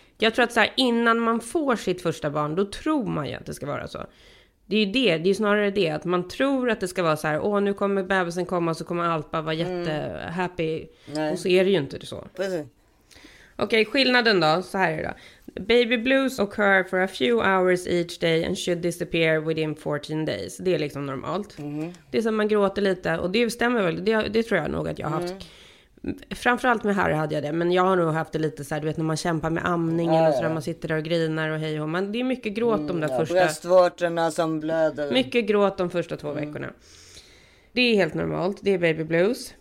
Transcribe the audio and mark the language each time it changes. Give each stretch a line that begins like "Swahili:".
Swedish: Jag tror att så här, innan man får sitt första barn, då tror man ju att det ska vara så. Det är ju det, det är snarare det att man tror att det ska vara så här, åh, nu kommer bebisen komma, så kommer allt bara vara jättehappy. Och så är det ju inte det så. Precis. Okej, skillnaden då, så här är det då.
English: Baby blues occur for a few hours each day and should disappear within 14 days.
Swedish: Det är liksom normalt. Mm. Det är så att man gråter lite, och det stämmer väl, det tror jag nog att jag har haft. Framförallt med Harry hade jag det, men jag har nog haft det lite så här, du vet, när man kämpar med amningen och så där, man sitter där och grinar och hej och man, det är mycket gråt de där första bröstvårtorna som blöder. Mycket gråt de första 2 veckorna. Det är helt normalt, det är baby blues.